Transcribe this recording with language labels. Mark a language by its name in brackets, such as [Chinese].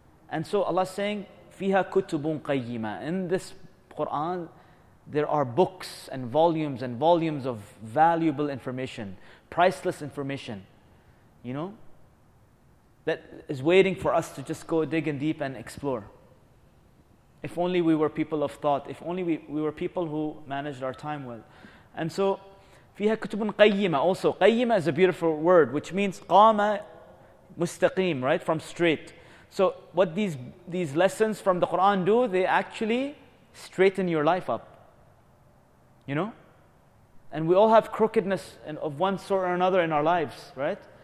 [English] And so Allah is saying, [Arabic] فِيهَا كُتُبٌ قَيِّمًا. [English] In this Quran, there are books and volumes of valuable information, priceless information, you know, that is waiting for us to just go dig in deep and explore. If only we were people of thought, if only we were people who managed our time well. And so, [Arabic] فِيهَا كُتُبٌ قَيِّمًا. [English] Also, قَيِّمًا is a beautiful word, which means [Arabic] قَامَ مُسْتَقِيم, [English] right? From straight. So what these lessons from the Quran do, they actually straighten your life up. You know? And we all have crookedness of one sort or another in our lives, right?